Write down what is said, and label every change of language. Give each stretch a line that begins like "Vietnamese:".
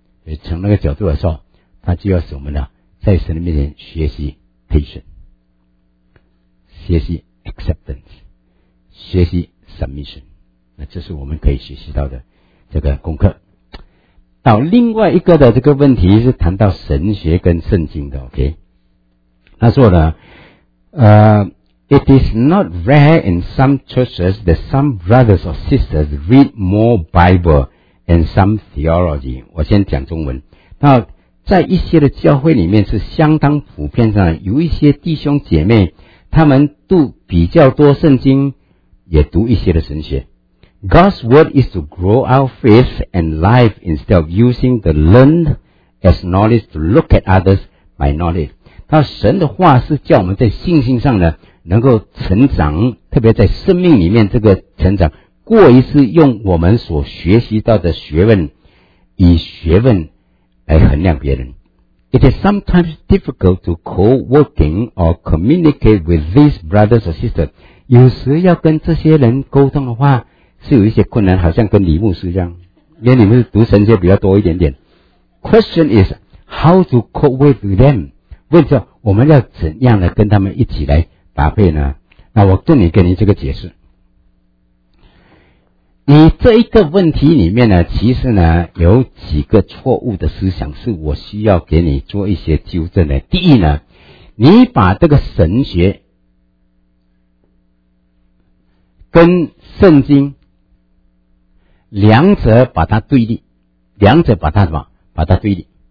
Chinese: 所以从那个角度来说，他就要使我们呢在神的面前学习 patience， 学习 acceptance， 学习 submission。那这是我们可以学习到的这个功课。到另外一个的这个问题是谈到神学跟圣经的 OK。他说呢
English: It is not rare in some churches that some brothers or sisters read more Bible and some theology.
Chinese: 我先讲中文。那在一些的教会里面是相当普遍上，有一些弟兄姐妹他们读比较多圣经，也读一些的神学。
English: God's word is to grow our faith and life instead of using the learned as knowledge to look at others by knowledge.
Chinese: 那神的话是叫我们在信心上呢能够成长，特别在生命里面这个成长，过一次用我们所学习到的学问，以学问来衡量别人。
English: It is sometimes difficult to co-working or communicate with these brothers or sisters.
Chinese: 有时要跟这些人沟通的话，是有一些困难，好像跟李牧师一样，因为你们读神学比较多一点点。
English: Question is how to co-work with them.
Chinese: 问着我们要怎样的跟他们一起来搭配呢？那我这里给你这个解释。你这一个问题里面呢，其实呢有几个错误的思想是我需要给你做一些纠正的。第一呢，你把这个神学跟圣经两者把它对立，两者把它什么？把它对立。